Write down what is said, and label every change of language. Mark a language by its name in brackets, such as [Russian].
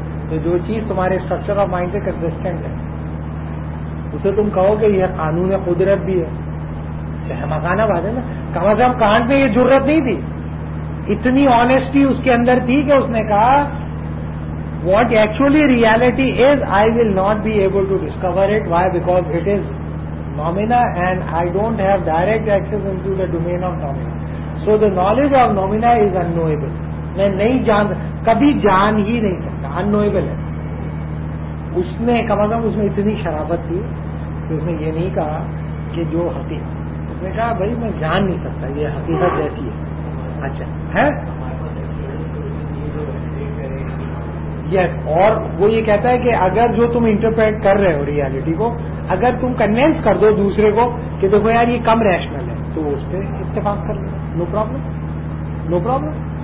[Urdu] تو جو چیز تمہارے اسٹرکچر آف مائنڈ سے کنسسٹنٹ ہے اسے تم کہو کہ یہ قانون قدرت بھی ہے. چاہے مکانہ بات ہے نا, کم از کم کانٹ میں یہ ضرورت نہیں تھی. اتنی آنےسٹی اس کے اندر تھی کہ اس نے کہا [English] what actually reality is, I will not be able to discover it. Why? Because it is nomina and I don't have direct access into the domain of nomina. So the knowledge of nomina is unknowable. [Urdu] میں نہیں جان کبھی جان ہی نہیں سکتا انویبل ہے. اس نے کم از کم اس میں اتنی شرافت تھی کہ اس نے یہ نہیں کہا کہ جو حقیقت, اس نے کہا بھائی میں جان نہیں سکتا یہ حقیقت جیسی ہے. اچھا ہے یس, اور وہ یہ کہتا ہے کہ اگر جو تم انٹرپریٹ کر رہے ہو ریالٹی کو اگر تم کنوینس کر دو دوسرے کو کہ دیکھو یار یہ کم ریشنل ہے تو اس پہ اتفاق کر لو, [English] No problem, no problem.